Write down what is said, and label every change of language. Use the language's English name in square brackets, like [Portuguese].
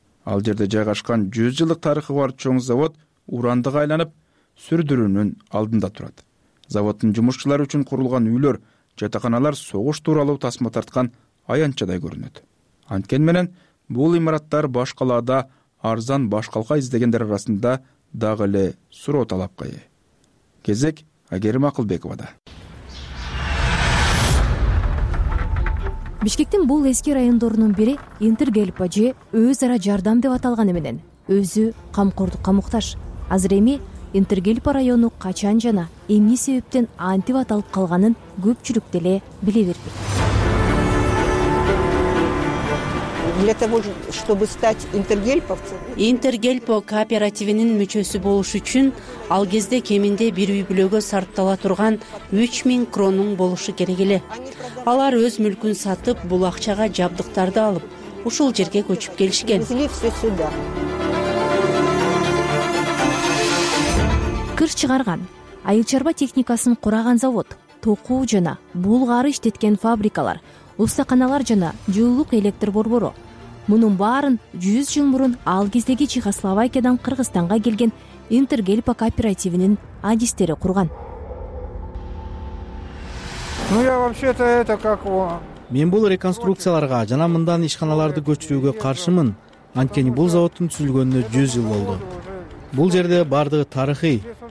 [Kyrgyz] Ал жерде жайгашкан 100 жылдык тарыхы бар чоң завод урандыга айланып, сүрдүрүүнүн алдында турат. Заводдун жумушчулары үчүн курулган үйлөр, жатаканалар согуш тууралуу тасма тарткан аянтчадай көрүнөт. Анткени менен бул имараттар башкаларда арзан башкалка издегендер арасында дагы эле суроо талапка ээ. Кезек Агерим Акылбековада. Бишкектин бул эски райондорунун бири Интергельпо же өз ара жардам деп аталганы менен өзү камкордукка муктаж. Азыр эми Интергельпо району качан жана эмне себептен антип аталып калганын көпчүлүк деле биле бербейт. [Russian] Для того, чтобы стать интергельповцем. [Kyrgyz] Интергельпо кооперативинин мүчөсү болуш үчүн ал кезде кеминде бир үй бүлөгө сарттала турган 3000 кронун болушу керек эле. Алар өз мүлкүн сатып, бул акчага жабдыктарды алып, ушул жерге көчүп келишкен. Кыр чыгарган, айыл чарба техникасын кураган завод, токуу жана булгары иштеткен фабрикалар, устаканалар жана жылуулук электр борбору. Мунун баарын 100 жыл мурун ал кездеги Чехословакиядан Кыргызстанга келген Интергельпо кооперативинин адистери курган. [Russian] Ну я вообще-то это как его. [Kyrgyz] Мен бул реконструкцияларга жана мындан ишканаларды көчүрүүгө каршымын, анткени бул заводдун түзүлгөнүнө 100 жыл болду. Бул жерде бардыгы тарыхый.